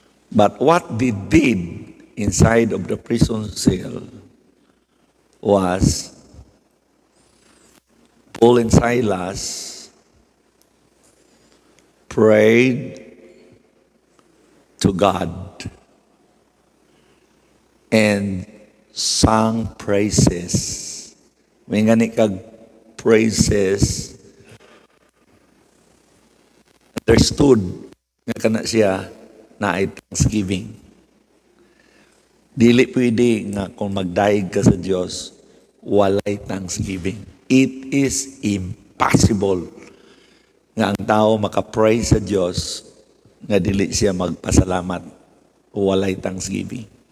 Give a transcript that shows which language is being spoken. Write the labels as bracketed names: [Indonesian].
[English] But what they did inside of the prison cell was Paul and Silas prayed to God and sang praises. [Cebuano] May ngani kag praises, understood nga kana siya na ay thanksgiving. Dili pwede nga kung magdaig ka sa Diyos, walay thanksgiving. [English] It is impossible [Cebuano] nga ang tao makapray sa Diyos nga dili siya magpasalamat, walay thanksgiving.